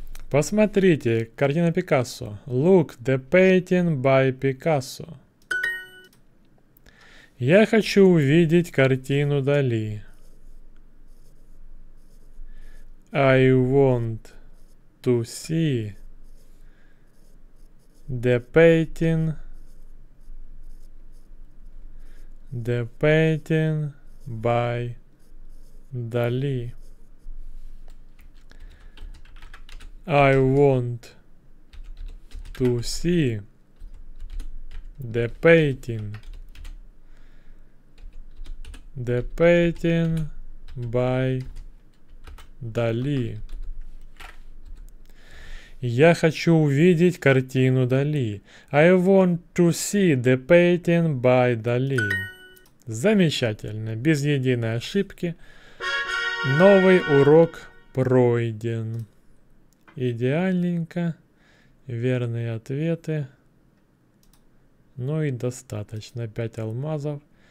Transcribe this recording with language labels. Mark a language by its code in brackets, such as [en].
[ru] Посмотрите, картина Пикассо. [en] Look, the painting by Picasso. [ru] Я хочу увидеть картину Дали. [en] I want to see the painting by Дали. I want to see the painting by Дали. [ru] Я хочу увидеть картину Дали. [en] I want to see the painting by Дали. [ru] Замечательно, без единой ошибки. Новый урок пройден. Идеальненько. Верные ответы. Ну и достаточно. 5 алмазов.